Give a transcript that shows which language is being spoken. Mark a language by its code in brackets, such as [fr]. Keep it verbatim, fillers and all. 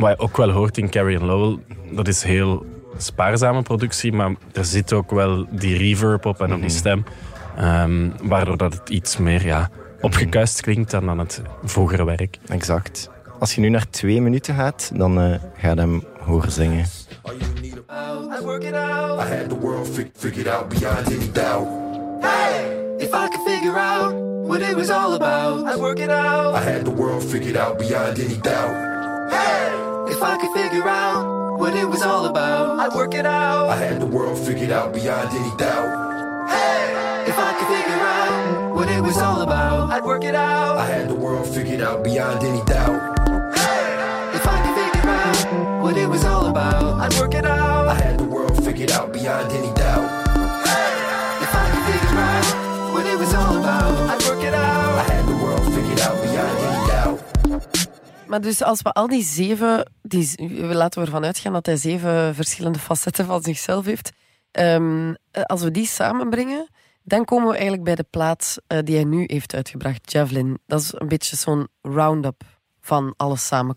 [nl] Wat je ook wel hoort in Carrie and Lowell, dat is heel spaarzame productie, maar er zit ook wel die reverb op en mm-hmm. op die stem, um, waardoor dat het iets meer ja, opgekuist klinkt dan aan het vroegere werk. Exact. Als je nu naar twee minuten gaat, dan uh, ga je hem horen zingen. [en] I work it out. I had the world figured out beyond any doubt. Hey, if I could figure out what it was all about, I work it out. I had the world figured out beyond any doubt. Hey, if I could figure out what it was all about, I work it out. I had the world figured out beyond any doubt. Hey, if I could figure out what it was all about, I'd work it out. I had the world figured out beyond any doubt. Hey, if I could figure out what it was all about, I'd work it out. I had the world figured out beyond any doubt. Hey, if I could figure out what it was all about, I'd work it out. I had the world figured out beyond any doubt. [nl] Maar dus als we al die zeven, die, laten we ervan uitgaan dat hij zeven verschillende facetten van zichzelf heeft. Um, als we die samenbrengen, dan komen we eigenlijk bij de plaat uh, die hij nu heeft uitgebracht, Javelin. Dat is een beetje zo'n round-up van alles samen.